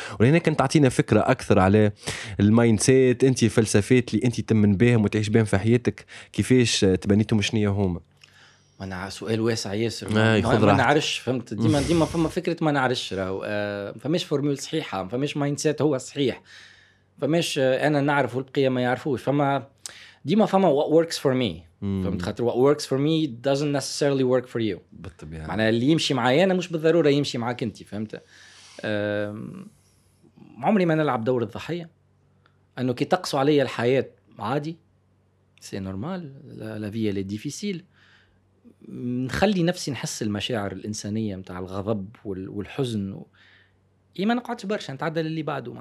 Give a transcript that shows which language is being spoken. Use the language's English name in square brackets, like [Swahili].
[Arabic] ولهنا كنت تعطينا فكره اكثر على المايند سيت، انت الفلسفات اللي انت تمن بهم وتعيش بهم في حياتك كيفاش تبنيتهم شنو هي هما. ما انا سؤال واسع ياسر، ما نعرفش، فهمت؟ ديما فما فكره ما نعرفش، راه فماش فورمول صحيحه، فماش مايند سيت هو الصحيح، فماش انا نعرف والبقيه ما يعرفوش. فما ديما فما [English] what works for me، [Arabic] فهمت؟ خاطر [English] what works for me doesn't necessarily work for you. [Arabic] بالطبيعه معناها اللي يمشي معايا انا مش بالضروره يمشي معاك انت، فهمت؟ عمري ما نلعب دور الضحيه، انه كي تقصوا عليا الحياه عادي، [French] سي نورمال، لا في لي ديفيسيل، [Arabic] نخلي نفسي نحس المشاعر الانسانيه متاع الغضب والحزن ما نقعدش برشا، نتعدل اللي بعده.